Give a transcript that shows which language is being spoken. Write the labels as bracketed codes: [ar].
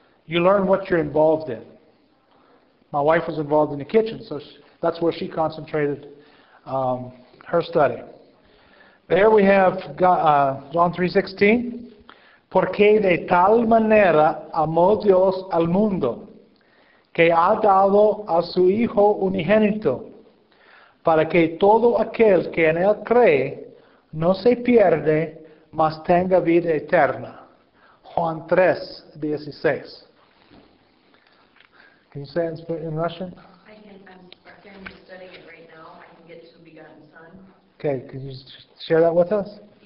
[en] You learn what you're involved in. My wife was involved in the kitchen, so that's where she concentrated her study. There we have John 3:16. [es] Porque de tal manera amó Dios al mundo, que ha dado a su Hijo unigénito, para que todo aquel que en él cree no se pierde, mas tenga vida eterna. Juan 3:16. [en] Can you say it in Russian? I'm studying it right now. I can get to begotten son. Okay, can you share that with us?